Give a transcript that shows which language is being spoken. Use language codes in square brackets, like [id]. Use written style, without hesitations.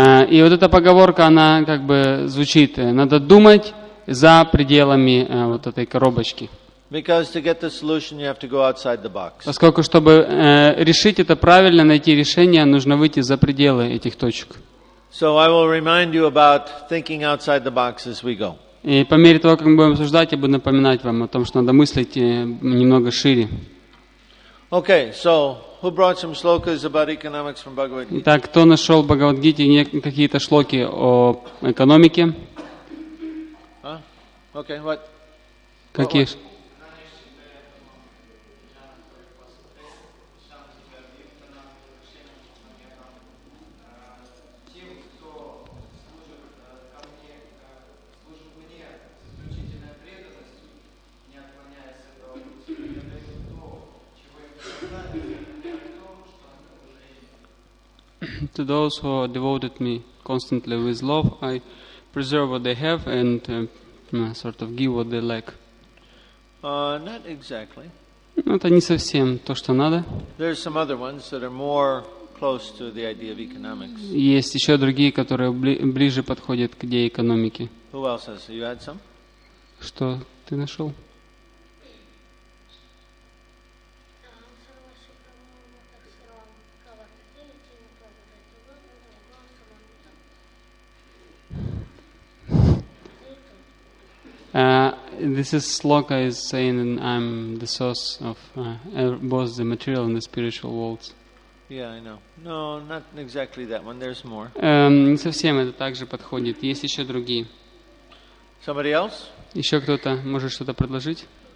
[ru] И вот эта поговорка, она как бы звучит: надо думать за пределами вот этой коробочки. [en] Because to get the solution, you have to go outside the box. [ru] Поскольку чтобы решить это правильно, найти решение, нужно выйти за пределы этих точек. [en] So I will remind you about thinking outside the box as we go. [ru] И по мере того, как мы будем обсуждать, я буду напоминать вам о том, что надо мыслить немного шире. [en] Okay, so who brought some shlokas about economics from Bhagavad Gita? [ru] Итак, кто нашел в Бхагавад Гите какие-то шлоки о экономике? [en] Okay, what? [ru] Какие? [en] What? To those who devoted me constantly with love, I preserve what they have and sort of give what they lack. Not exactly. [ru] Это не совсем то, что надо. [en] There are some other ones that are more close to the idea of economics. [ru] Есть еще другие, которые ближе подходят к идее экономики. [en] Who else has? You had some? [ru] Что ты нашел? [en] This is Sloka is saying I'm the source of both the material and the spiritual worlds. Yeah, I know. No, not exactly that one. There's more. [ru] Не совсем это также подходит. Есть еще другие. [en] Somebody else? [ru] Еще кто-то может что-то предложить?